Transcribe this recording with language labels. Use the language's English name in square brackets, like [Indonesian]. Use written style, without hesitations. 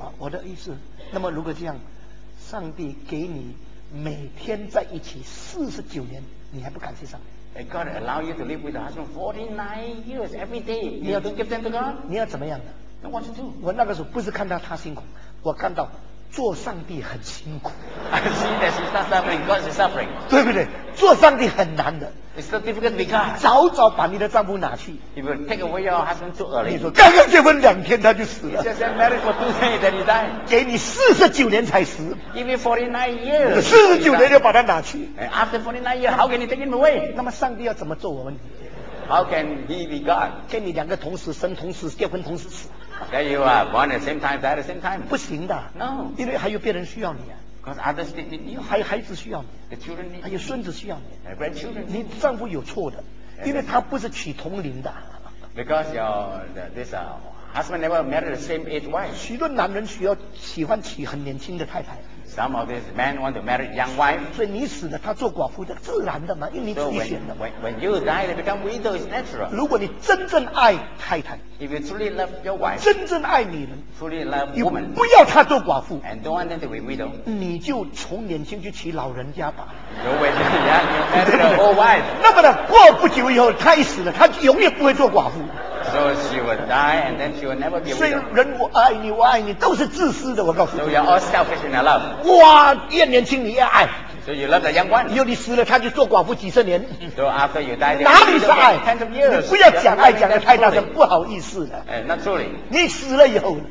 [Chinese] 我的意思，那么如果这样，上帝给你每天在一起49年，你还不感谢上帝？ [English] God allow you to live with the husband 49 years every day. You have to give them to God. [Chinese] 你要怎么样呢 [English] ？Then what to do? [Chinese] 我那个时候不是看到他辛苦，我看到做上帝很辛苦。 [English] I see that she's not suffering. God is suffering. [Chinese] 对不对？做上帝很难的。 [English] It's so difficult to be God. [Chinese] 早早把你的丈夫拿去。 [English] You will take away your husband too early. [Chinese] 你说刚刚结婚2天他就死了。 [English] He just married for 2 days then he died. [Chinese] 给你49年才死。 [English] Give me 49 years. [Chinese] 49年就把他拿去。 [English] After 49 years, how can he take him away? [Chinese] 那么上帝要怎么做我们 [English] ？How can he be God? [Chinese] 跟你两个同时生，同时结婚，同时死。 [English] Then you are born at the same time, die at the same time. [Chinese] 不行的。 [English] No. [Chinese] 因为还有别人需要你啊。 [English] Because others need you. [Chinese] 还有孩子需要你。 [English] The children need. [Chinese] 还有孙子需要你。 [English] The grandchildren. [Chinese] 你丈夫有错的，因为他不是娶同龄的。 [English] Because your this husband never married the same age wife. [Chinese] 许多男人需要喜欢娶很年轻的太太。 [English] Some of these men want to marry young wife. [Chinese] 所以你死了，他做寡妇的，自然的嘛，因为你自己选的。 [English] When you die, they become widow. It's natural. [Chinese] 如果你真正爱太太 [English] ，If you truly love your wife, [Chinese] 真正爱女人 [English] ，truly love woman, [Chinese] 不要她做寡妇 [English] ，and don't want them to be widow. [Chinese] 你就从年轻就娶老人家吧。 [English] You wait, yeah, you marry the old wife. [Chinese] 那么呢，过不久以后，她一死了，她永远不会做寡妇。 [English] So she will die, and then she will never be. [Chinese] 所以人我爱你，我爱你，都是自私的。我告诉你。 [English] So you're all selfish in your love. [Chinese] 哇，越年轻你越爱。 [English] So you love the young one. [Chinese] 有你死了，他就做寡妇几十年。 [English] So after you die, [Chinese] 哪里是爱？你不要讲爱讲的太大声，不好意思的。那助理。你死了以后呢？